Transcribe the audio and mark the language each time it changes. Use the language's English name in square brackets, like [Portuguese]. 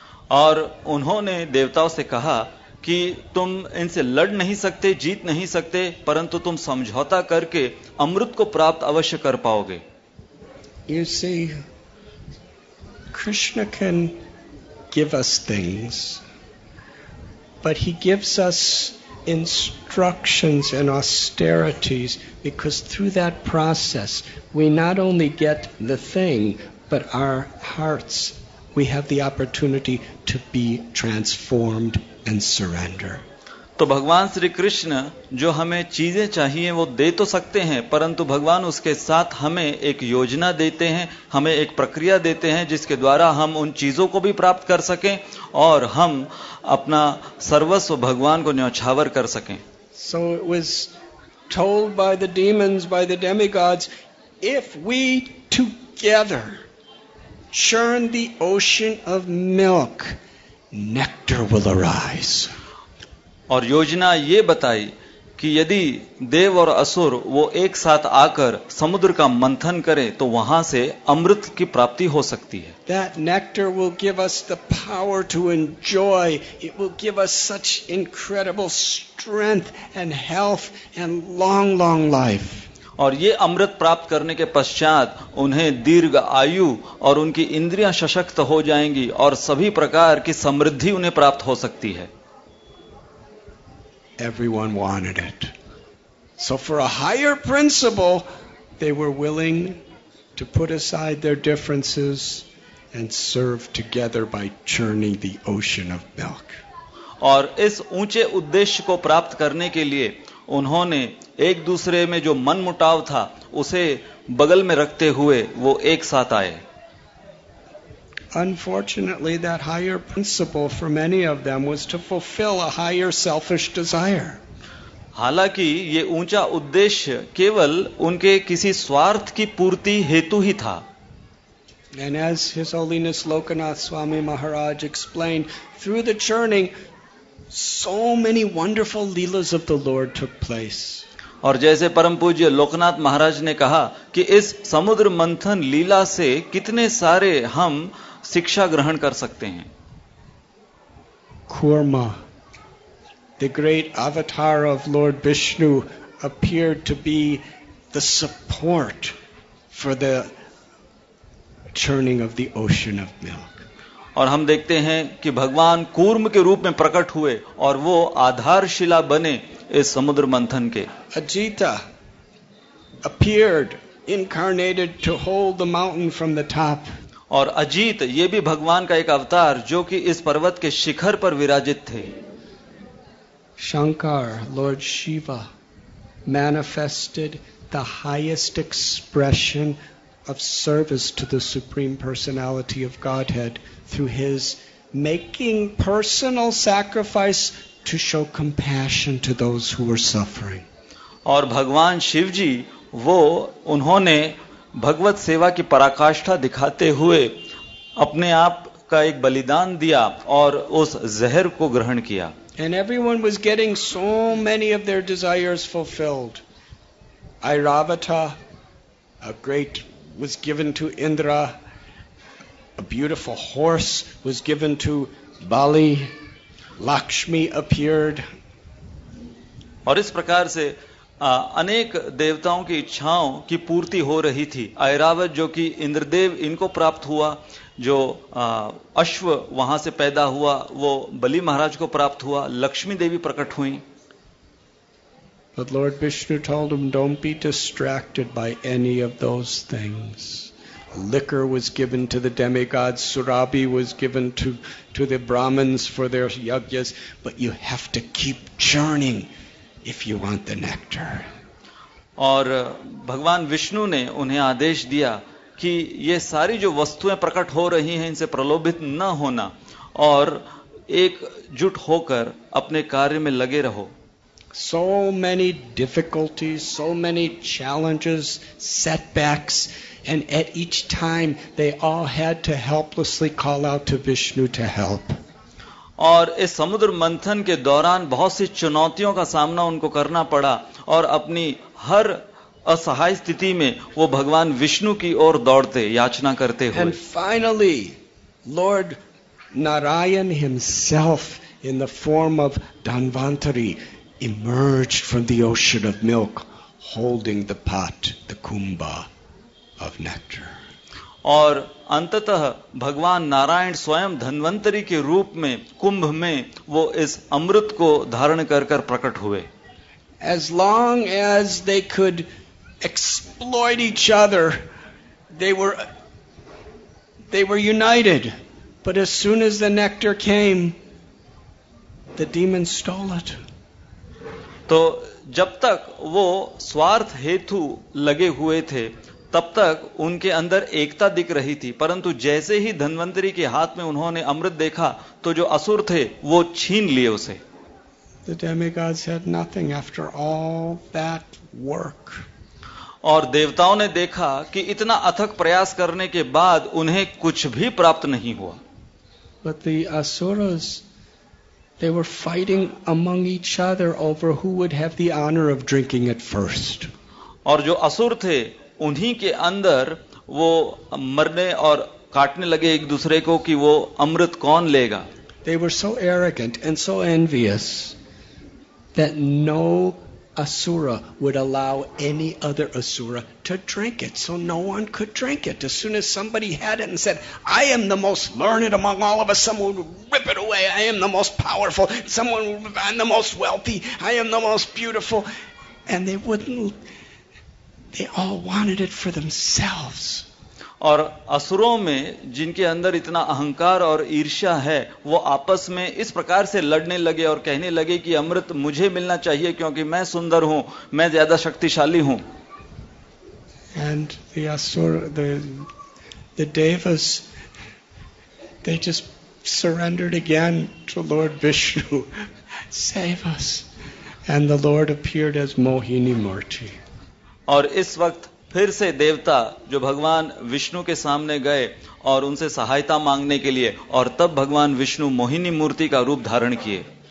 [Hindi] और उन्होंने देवताओं से कहा कि तुम इनसे लड़ नहीं सकते, जीत नहीं सकते, परंतु तुम समझौता करके अमृत को प्राप्त अवश्य कर पाओगे. [English] You see, Krishna can give us things, but he gives us instructions and austerities because through that process we not only get the thing but our hearts, we have the opportunity to be transformed and surrender. [Hindi] तो भगवान श्री कृष्ण जो हमें चीजें चाहिए वो दे तो सकते हैं परंतु भगवान उसके साथ हमें एक योजना देते हैं, हमें एक प्रक्रिया देते हैं जिसके द्वारा हम उन चीजों को भी प्राप्त कर सकें और हम अपना सर्वस्व भगवान को न्योछावर कर सकें. [English] So it was told by the demons, by the demigods, if we together churn the ocean of milk nectar will arise. [Hindi] और योजना ये बताई कि यदि देव और असुर वो एक साथ आकर समुद्र का मंथन करें तो वहां से अमृत की प्राप्ति हो सकती है. [English] That nectar will give us the power to enjoy. It will give us such incredible strength and health and long, long life. [Hindi] और ये अमृत प्राप्त करने के पश्चात उन्हें दीर्घ आयु और उनकी इंद्रियां सशक्त हो जाएंगी और सभी प्रकार की समृद्धि उन्हें प्राप्त हो सकती है. [English] Everyone wanted it. So for a higher principle, they were willing to put aside their differences and serve together by churning the ocean of milk. [Hindi] और इस ऊंचे उद्देश्य को प्राप्त करने के लिए उन्होंने एक दूसरे में जो मन मुटाव था उसे बगल में रखते हुए वो एक साथ आए. [English] Unfortunately, that higher principle for many of them was to fulfill a higher selfish desire. [Hindi] हालांकि ये ऊंचा उद्देश्य केवल उनके किसी स्वार्थ की पूर्ति हेतु ही था. [English] And as His Holiness Lokanath Swami Maharaj explained, through the churning, so many wonderful leelas of the Lord took place. [Hindi] और जैसे परम पूज्य लोकनाथ महाराज ने कहा कि इस समुद्र मंथन लीला से कितने सारे हम शिक्षा ग्रहण कर सकते हैं. [English] Kurma, the great avatar of Lord Vishnu, appeared to be the support for the churning of the ocean of milk. [Hindi] और हम देखते हैं कि भगवान कूर्म के रूप में प्रकट हुए और वो आधारशिला बने इस समुद्र मंथन के. [English] Ajita appeared incarnated to hold the mountain from the top. [Hindi] और अजीत ये भी भगवान का एक अवतार जो कि इस पर्वत के शिखर पर विराजित थे. [English] Shankar lord Shiva manifested the highest expression of service to the supreme personality of godhead through his making personal sacrifice to show compassion to those who were suffering. [Hindi] और भगवान शिव जी वो उन्होंने भगवत सेवा की पराकाष्ठा दिखाते हुए अपने आप का एक बलिदान दिया और उस जहर को ग्रहण किया. [English] And everyone was getting so many of their desires fulfilled. Airavata, a great, was given to Indra. A beautiful horse was given to Bali. Lakshmi appeared. [Hindi] और इस प्रकार से अनेक देवताओं की इच्छाओं की पूर्ति हो रही थी. ऐरावत जो कि इंद्रदेव इनको प्राप्त हुआ, जो अश्व वहां से पैदा हुआ वो बलि महाराज को प्राप्त हुआ, लक्ष्मी देवी प्रकट हुई. [English] But Lord Vishnu told him, don't be distracted by any of those things. Liquor was given to the demigods, Surabhi was given to the Brahmins for their yajnas, but you have to keep churning. If you want the nectar. [Hindi] और भगवान विष्णु ने उन्हें आदेश दिया कि ये सारी जो वस्तुएं प्रकट हो रही हैं इनसे प्रलोभित न होना और एकजुट होकर अपने कार्य में लगे रहो. [English] So many difficulties, so many challenges, setbacks, and at each time they all had to helplessly call out to Vishnu to help. [Hindi] और इस समुद्र मंथन के दौरान बहुत सी चुनौतियों का सामना उनको करना पड़ा और अपनी हर असहाय स्थिति में वो भगवान विष्णु की ओर दौड़ते, याचना करते हुए. [English] And finally, Lord Narayan himself, in the form of Dhanvantari, emerged from the ocean of milk, holding the pot, the Kumbha of nectar. [Hindi] और अंततः भगवान नारायण स्वयं धन्वंतरी के रूप में कुंभ में वो इस अमृत को धारण कर प्रकट हुए. [English] As long as they could exploit each other, they were united. But as soon as the nectar came, the demon stole it. [Hindi] तो जब तक वो स्वार्थ हेतु लगे हुए थे तब तक उनके अंदर एकता दिख रही थी, परंतु जैसे ही धन्वंतरी के हाथ में उन्होंने अमृत देखा तो जो असुर थे वो छीन लिए उसे. [English] The demigods had nothing after all that work. [Hindi] और देवताओं ने देखा कि इतना अथक प्रयास करने के बाद उन्हें कुछ भी प्राप्त नहीं हुआ. [English] But the Asuras, they were fighting among each other over who would have the honor of drinking it first. [Hindi] और जो असुर थे उन्हीं के अंदर वो मरने और काटने लगे एक दूसरे को कि वो अमृत कौन लेगा. [English] They were so arrogant and so envious that no Asura would allow any other Asura to drink it, so no one could drink it. As soon as somebody had it and said, I am the most learned among all of us, someone would rip it away. I am the most powerful. Someone, I'm the most wealthy. I am the most beautiful. And they wouldn't, they all wanted it for themselves. [Hindi] और असुरों में जिनके अंदर इतना अहंकार और ईर्ष्या है वो आपस में इस प्रकार से लड़ने लगे और कहने लगे कि अमृत मुझे मिलना चाहिए क्योंकि मैं सुंदर हूं, मैं ज्यादा शक्तिशाली हूं. [English] And the asura, the devas, they just surrendered again to Lord Vishnu. Save us. And the Lord appeared as Mohini Murti. [Hindi] और इस वक्त फिर से देवता जो भगवान विष्णु के सामने गए और उनसे सहायता मांगने के लिए और तब भगवान विष्णु मोहिनी मूर्ति का रूप धारण किए.